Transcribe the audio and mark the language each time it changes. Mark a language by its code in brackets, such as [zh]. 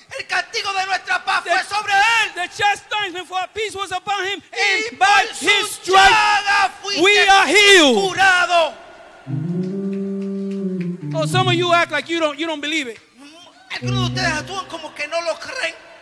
[es] El castigo de nuestra paz fue sobre él. [en] The chastisement for our peace was upon him. Y by his stripes we are healed. [es] Curado. [en] Oh, some of you act like you don't believe it. [es] Algunos de ustedes actúan como que no lo creen.